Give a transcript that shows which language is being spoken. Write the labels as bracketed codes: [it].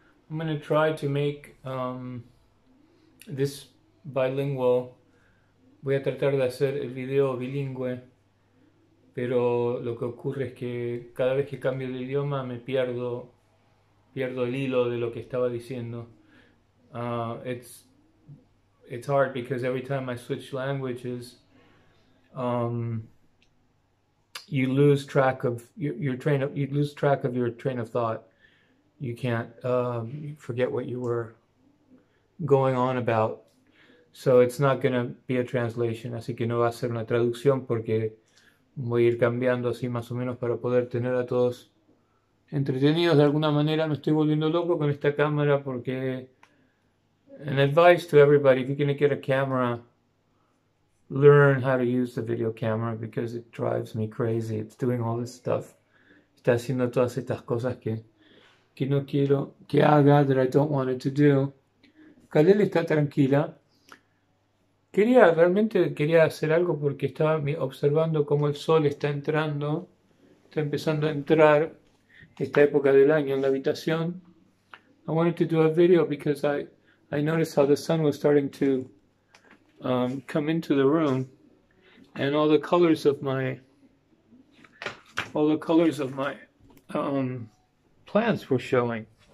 [en] I'm going to try to make this bilingual. [es] Voy a tratar de hacer el video bilingüe, pero lo que ocurre es que cada vez que cambio de idioma me pierdo el hilo de lo que estaba diciendo. [en] It's hard because every time I switch languages, you lose track of your train of you lose track of your train of thought. You can't forget what you were going on about. So it's not gonna be a translation. [es] Así que no va a ser una traducción porque voy a ir cambiando así más o menos para poder tener a todos entretenidos de alguna manera. Me estoy volviendo loco con esta cámara porque [en] an advice to everybody, if you're gonna get a camera, learn how to use the video camera because it drives me crazy. It's doing all this stuff. [es] Está haciendo todas estas cosas que no quiero que haga, [en] that I don't want it to do. [es] Khalil está tranquila. Realmente quería hacer algo porque estaba observando cómo el sol está entrando, está empezando a entrar esta época del año en la habitación. [en] I wanted to do a video because I noticed how the sun was starting to come into the room, and all the colors of my plants were showing.